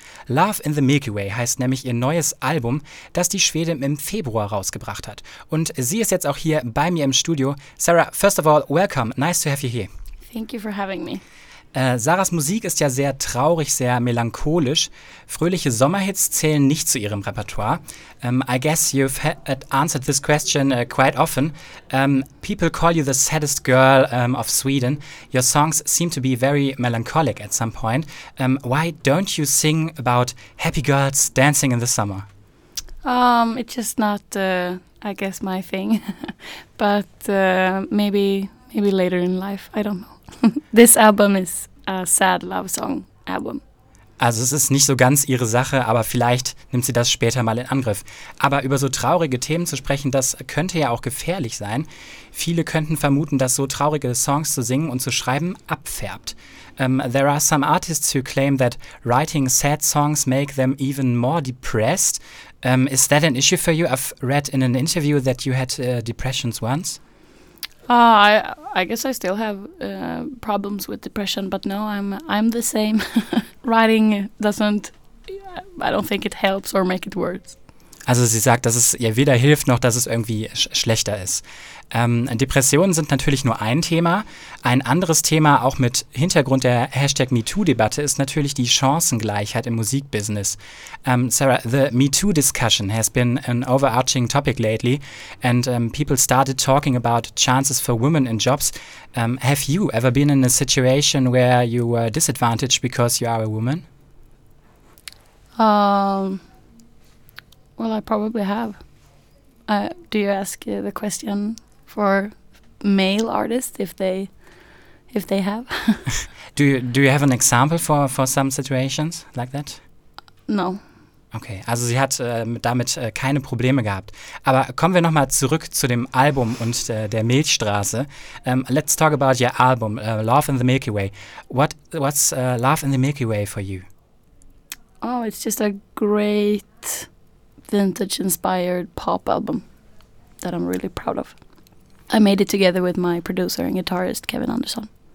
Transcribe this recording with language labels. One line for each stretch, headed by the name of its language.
German: Love in the Milky Way heißt nämlich ihr neues Album, das die Schwedin im Februar rausgebracht hat. Und sie ist jetzt auch hier bei mir im Studio.
English: Sarah, first of all, welcome. Nice to have you here. Thank you for having me.
German: Sarahs Musik ist ja sehr traurig, sehr melancholisch. Fröhliche Sommerhits zählen nicht zu ihrem Repertoire.
English: I guess you've answered this question quite often. People call you the saddest girl of Sweden. Your songs seem to be very melancholic at some point. Why don't you sing about happy girls dancing in the summer? It's just not, I guess, my thing. But maybe later in life, I don't know. This album is a sad love song album.
German: Also es ist nicht so ganz ihre Sache, aber vielleicht nimmt sie das später mal in Angriff. Aber über so traurige Themen zu sprechen, das könnte ja auch gefährlich sein. Viele könnten vermuten, dass so traurige Songs zu singen und zu schreiben abfärbt.
English: There are some artists who claim that writing sad songs make them even more depressed. Is that an issue for you? I've read in an interview that you had depressions once. I guess I still have problems with depression, but no, I'm the same. Writing doesn't, I don't think it helps or make it worse.
German: Also sie sagt, dass es ihr weder hilft, noch dass es irgendwie schlechter ist. Depressionen sind natürlich nur ein Thema. Ein anderes Thema, auch mit Hintergrund der #MeToo-Debatte, ist natürlich die Chancengleichheit im Musikbusiness.
English: Sarah, the MeToo-Discussion has been an overarching topic lately and people started talking about chances for women in jobs. Have you ever been in a situation where you were disadvantaged because you are a woman? Well, I probably have. Do you ask the question for male artists if they have? Do you have an example for some situations like that? No.
German: Okay, also sie hat damit keine Probleme gehabt. Aber kommen wir nochmal zurück zu dem Album und der Milchstraße.
English: Let's talk about your album, Love in the Milky Way. What's Love in the Milky Way for you? Oh, it's just a great vintage-inspired pop album that I'm really proud of. I made it together with my producer and guitarist, Kevin Andersson.